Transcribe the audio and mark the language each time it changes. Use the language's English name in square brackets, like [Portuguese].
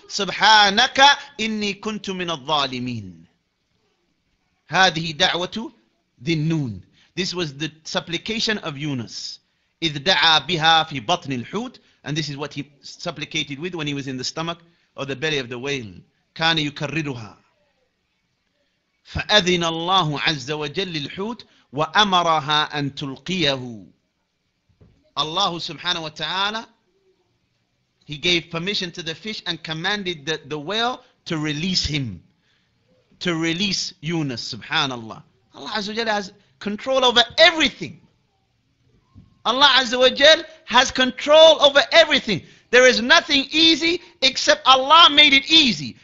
[Arabic] Subhanaka inni kuntu min al-zalimin. Hadhi da'watu dhinnun. [English] This was the supplication of Yunus. [Arabic] Idh da'a biha fi batn al-hut. [English] And this is what he supplicated with when he was in the stomach or the belly of the whale. [Arabic] كان يكررها. فأذن الله عز وجل للحوت وأمرها أن تلقيه. [English] Allah subhanahu wa ta'ala, he gave permission to the fish and commanded the whale to release him. To release Yunus, subhanallah. Allah azza wa jal has control over everything. Allah Azza wa Jal has control over everything. There is nothing easy except Allah made it easy.